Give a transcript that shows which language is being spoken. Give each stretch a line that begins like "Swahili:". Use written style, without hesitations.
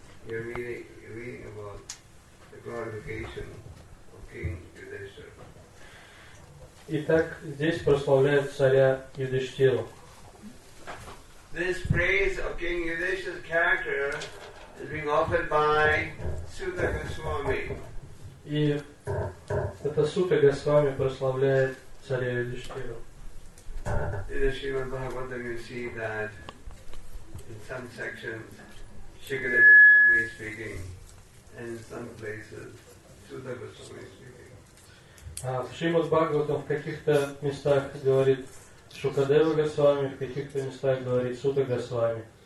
English: you're reading about the glorification of King Yudhishthira.
Russian: Итак, здесь прославляют царя Юдиштиру.
English: This praise of King Yudhishthira's character is being offered by Sutta Goswami.
Russian: И это Сута Госвами прославляет царя Юдиштиру.
English: Yudhishthira Bhagavatam, you see that in some sections Shukadeva Goswami is speaking, and in some places Sutta Goswami is speaking.
Russian: В Шримад Бхагаватам в каких-то местах говорит Шукадева Госвами, в каких-то местах говорит Сута Госвами.